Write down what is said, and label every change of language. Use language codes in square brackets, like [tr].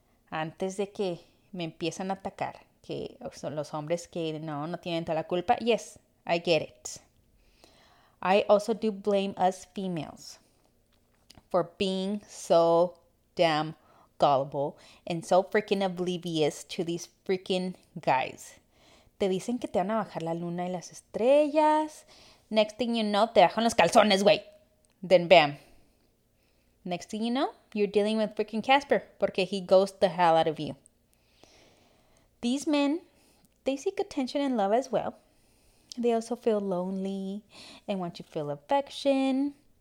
[es] Antes de que me empiezan a atacar, que son los hombres que no tienen toda la culpa. [en] Yes, I get it. I also do blame us females for being so damn gullible and so freaking oblivious to these freaking guys. [es] Te dicen que te van a bajar la luna y las estrellas. [en] Next thing you know, [es] te bajan los calzones, güey. [en] Then bam. Next thing you know, you're dealing with freaking Casper porque he ghosts the hell out of you. These men, they seek attention and love as well. They also feel lonely and want to feel affection.